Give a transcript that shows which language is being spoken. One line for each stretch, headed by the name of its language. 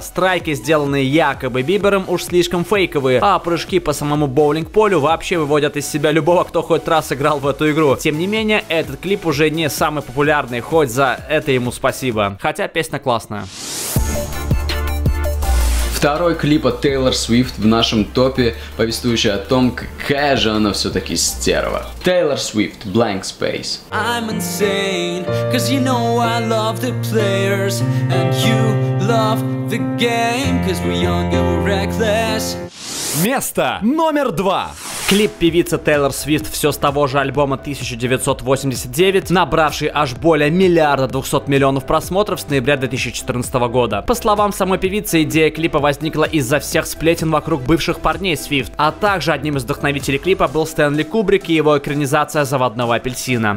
Russian: Страйки, сделанные якобы Бибером, уж слишком фейковые, а прыжки по самому боулинг-полю вообще выводят из себя любого, кто хоть раз играл в эту игру. Тем не менее, этот клип уже не самый популярный, хоть за это ему спасибо. Хотя песня классная. Второй клип от Taylor Swift в нашем топе, повествующий о том, какая же она все-таки стерва. Taylor Swift, Blank Space.
English: I'm insane, 'cause you know I love the players, and you love the game, 'cause we're young and we're reckless.
Russian: Место номер два. Клип певицы Тейлор Свифт все с того же альбома 1989, набравший аж более 1 200 000 000 просмотров с ноября 2014 года. По словам самой певицы, идея клипа возникла из-за всех сплетен вокруг бывших парней Свифт, а также одним из вдохновителей клипа был Стэнли Кубрик и его экранизация «Заводного апельсина».